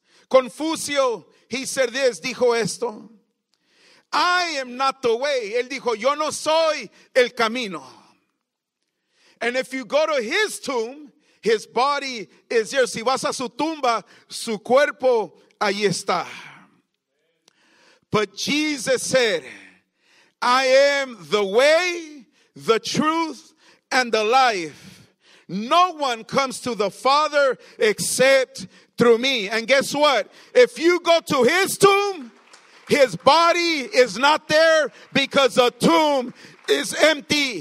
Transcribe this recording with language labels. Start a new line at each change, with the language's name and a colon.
English: Confucio, he said this,
Spanish: dijo esto.
English: I am not the way.
Spanish: Él dijo, yo no soy el camino.
English: And if you go to his tomb, his body is there.
Spanish: Si vas a su tumba, su cuerpo ahí está.
English: But Jesus said, I am the way, the truth, and the life. No one comes to the Father except through me. And guess what? If you go to his tomb, his body is not there because the tomb is empty.